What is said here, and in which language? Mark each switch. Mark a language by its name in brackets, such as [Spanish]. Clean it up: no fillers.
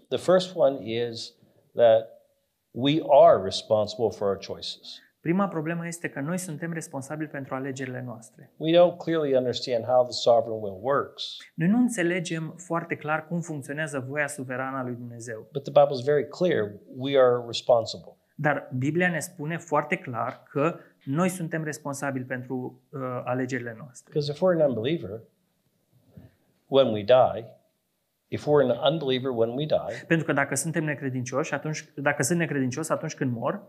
[English] The first one is that we are responsible for our choices. [Romanian] Prima problemă este că noi suntem responsabili pentru alegerile noastre. [English] We don't clearly understand how the sovereign will works. [Romanian] Noi nu înțelegem foarte clar cum funcționează voia suverană a lui Dumnezeu. [English] But the Bible is very clear, we are responsible. [Romanian] Dar Biblia ne spune foarte clar că noi suntem responsabili pentru alegerile noastre. [English] Because if we're an unbeliever when we die, if we're an unbeliever when we die, [Romanian] pentru că dacă suntem necredincioși, atunci dacă sunt necredincios atunci când mor,